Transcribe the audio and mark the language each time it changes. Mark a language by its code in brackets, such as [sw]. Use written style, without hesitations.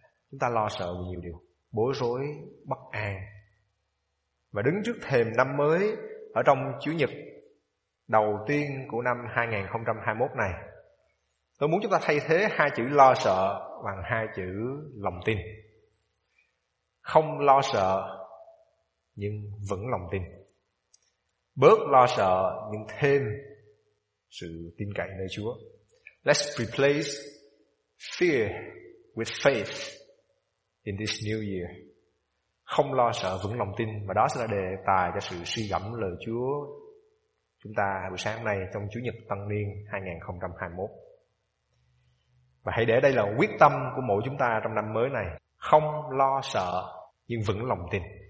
[vi] Chúng ta lo sợ về nhiều điều, bối rối, bất an. Và đứng trước thềm năm mới ở trong Chủ nhật đầu tiên của năm 2021 này, tôi muốn chúng ta thay thế hai chữ lo sợ bằng hai chữ lòng tin. Không lo sợ nhưng vẫn lòng tin. Bớt lo sợ nhưng thêm sự tin cậy nơi Chúa. [en] Let's replace fear with faith in this new year. [vi] Không lo sợ, vững lòng tin. Và đó sẽ là đề tài cho sự suy gẫm lời Chúa chúng ta buổi sáng nay trong Chủ nhật Tân niên 2021. Và hãy để đây là quyết tâm của mỗi chúng ta trong năm mới này. Không lo sợ nhưng vững lòng tin.